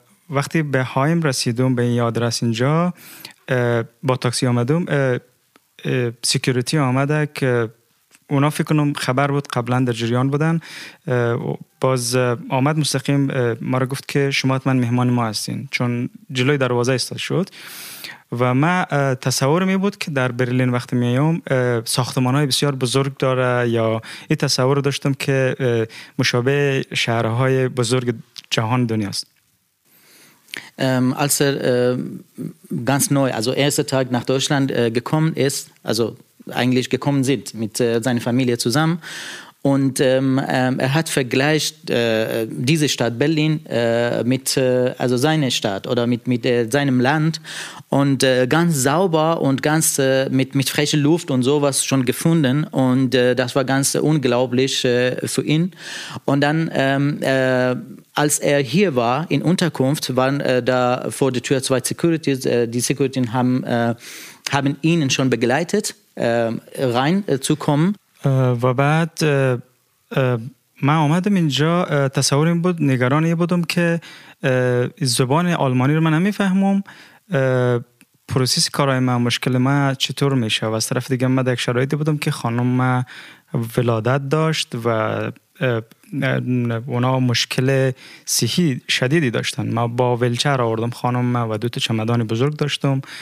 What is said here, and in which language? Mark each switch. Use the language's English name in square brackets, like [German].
[Persian] وقتی به هایم رسیدم، به این آدرس اینجا با تاکسی آمدم، سیکیوریتی آمده که اونا فکر کنم خبر بود قبلا در جریان بودن، باز آمد مستقیم ما رو گفت که شما حتما مهمان ما هستین چون جلوی دروازه ایستاده شد. و ما تصور می بود که در برلین وقتی میام ساختمان های بسیار بزرگ داره، یا این تصور رو داشتم که مشابه شهرهای بزرگ جهان دنیاست. [German] Als er ganz neu, also erster Tag nach Deutschland gekommen ist, also eigentlich gekommen sind mit seiner Familie zusammen, und er hat vergleicht diese Stadt Berlin mit also seine Stadt oder mit seinem Land, und ganz sauber und ganz mit frischer Luft und sowas schon gefunden, und das war ganz unglaublich für ihn. Und dann als er hier war in Unterkunft, waren da vor der Tür zwei Securities, die Securities haben ihn schon begleitet reinzukommen. [Persian] و بعد من آمدم اینجا، تصورم بود نگران یه بودم که زبان آلمانی رو من نمی فهمم، پروسیس کارهای من مشکل من چطور میشه. و از طرف دیگه من در یک شرایطی بودم که خانم من ولادت داشت و اونا مشکل صحی شدیدی داشتن، من با ویلچر آوردم خانم من و دو تا چمدان بزرگ داشتم.